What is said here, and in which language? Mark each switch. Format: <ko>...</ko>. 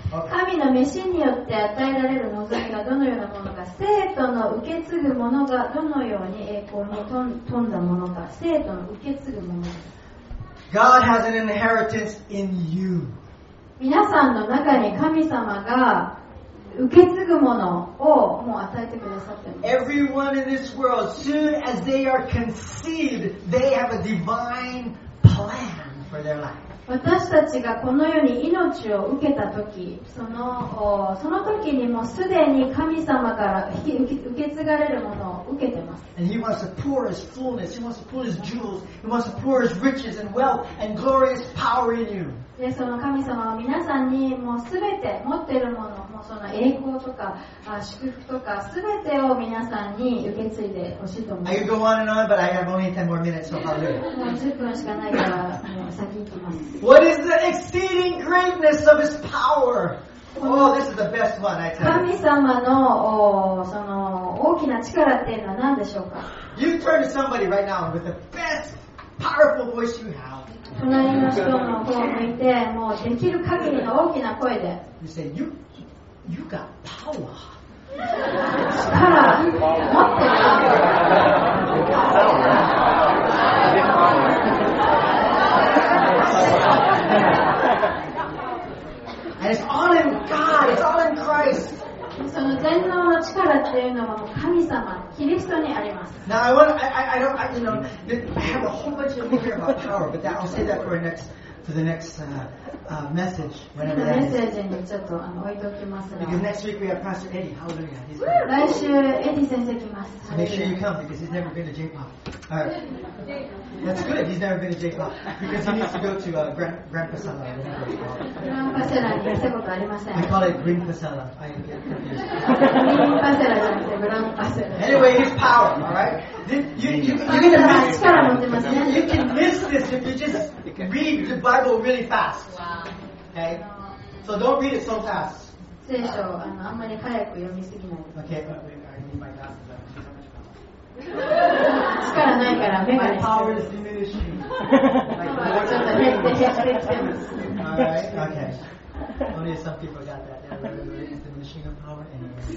<ja>神の召しによって与えられる望みがどのようなものか、聖徒の受け継ぐものがどのように栄光に富んだものか、聖徒の受け継ぐものです。</ja> <en>God has an inheritance in you.</en> <ja>皆さんの中に神様が受け継ぐものをもう与えてくださってます。</ja> <en>Everyone in this world, soon as they are conceived, they have a divine plan for their life.</en> <ja>私たちがこの世に命を受けた時、その時にもすでに神様から受け継がれるものを受けてます。</ja> <en>And he wants to pour his fullness, he wants to pour his jewels, he wants to pour his riches and wealth and glorious power in you.</en> <ja>でその神様は皆さんにもう全て持っているも の, もうその栄光とか祝福とか全てを皆さんに受け継いでほしいと思います。</ja> <en>I could go on and on, but I have only 10 more minutes, so I'll do it.</en> <ja>もう10分しかないからもう先行きます。</ja> <en>What is the exceeding greatness of his power? Oh, this is the best one, I tell you.</en> <ja>神様 の, その大きな力っていうのは何でしょうか?</ja> <en>You turn to somebody right now with the best powerful voice you have.</en> <ja>隣の人の方を向いて、もうできる限りの大きな声で。</ja> <en>You say, you got power.</en> <ja>力持ってる。</ja> <en>And it's all in God, it's all in Christ.</en> <ja>その全能の力っていうのは神様、キリストにあります。</ja> <en>Now I want I don't I, you know I have a whole bunch of here about power, but that, I'll say that for the next message whenever that is.</en> <ja>メッセージにちょっと置いておきます。</ja> <en>Because next week we have Pastor Eddie. Hallelujah.</en> <ja>来週エディ先生来ます。</ja> <en>So make sure you come because he's never been to J-pop. All right. That's good. He's never been to J-pop because he needs to go to Grand Pasala.</en> <ja>Grand Pasala に行ったことありません。</ja> <en>I call it Green Pasala. I get confused.</en> <ja>Green Pasala じゃなくて Grand Pasala.</ja> <en>Anyway, his power. All right. You can miss this if you just read the Bible really fast. Wow. Okay. So don't read it so fast.</en> <ja>聖書をあんまり早く読みすぎない。</ja> <en>Okay. But wait, I need my glasses.</en> <ja>力ないから目が。</ja> <en>My power is diminishing.</en> <ja>ちょっと減ってきてます。</ja> <en>All right. Okay. Only some people got that. It's the machine of power, anyway.</en>